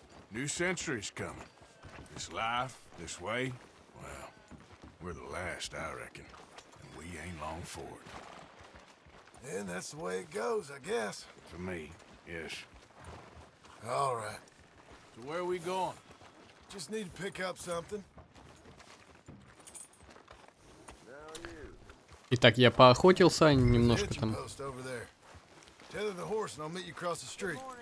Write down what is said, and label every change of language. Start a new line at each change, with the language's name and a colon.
English: New century's coming. This life, this way, well, we're the last, I reckon. And we ain't long for it. Then that's the way it goes, I guess. For me, yes. All right. So where are we going? Just need to pick up something.
Russian: Итак, я поохотился немножко там.
English: Tether the horse and I'll meet you across the street.